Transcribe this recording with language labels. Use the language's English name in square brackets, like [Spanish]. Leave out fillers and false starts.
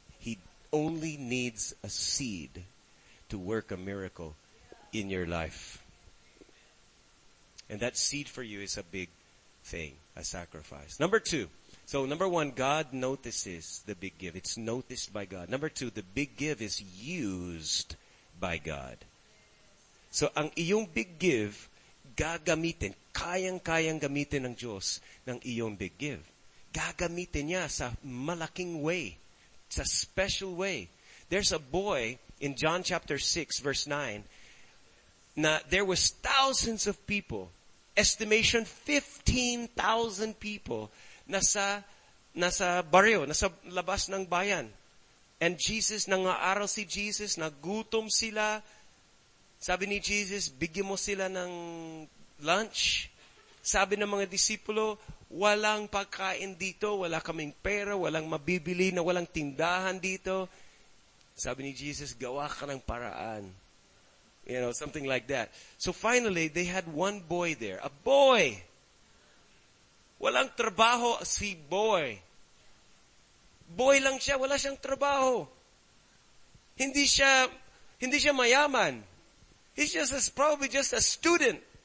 [English] He only needs a seed to work a miracle in your life. And that seed for you is a big thing, a sacrifice. Number two. So number one, God notices the big give. It's noticed by God. Number two, the big give is used by God. [Filipino] So ang iyong big give, gagamitin, kayang-kayang gamitin ng Diyos ng iyong big give. Gagamitin niya sa malaking way, sa special way. [English] There's a boy in John chapter 6, verse 9, na there was thousands of people, estimation 15,000 people, [Filipino] nasa baryo, nasa labas ng bayan. And Jesus, nang-aaral si Jesus, nagutom sila. Sabi ni Jesus, bigyan mo sila ng lunch. Sabi ng mga disipulo, walang pagkain dito, wala kaming pera, walang mabibili, na walang tindahan dito. Sabi ni Jesus, gawa ka ng paraan. [English] You know, something like that. So finally, they had one boy there, a boy. [Filipino] Walang trabaho si boy. Boy lang siya, wala siyang trabaho. Hindi siya mayaman. [English] He's just probably just a student.